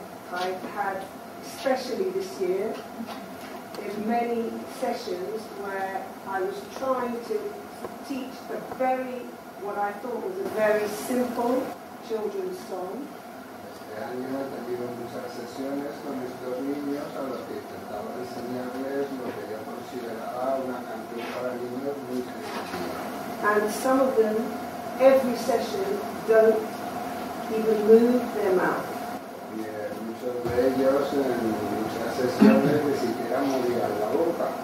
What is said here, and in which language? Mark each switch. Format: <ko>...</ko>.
<en>I've had, especially this year, in many sessions where I was trying to teach what I thought was a very simple children's song.</en> <es>Este año he tenido muchas sesiones con estos niños a los que intentaba enseñarles lo que yo consideraba una canción para niños muy creativa.</es> <en>And some of them, every session, don't even move their mouth.</en> <es>Y muchos de ellos en muchas sesiones ni siquiera movían la boca.</es>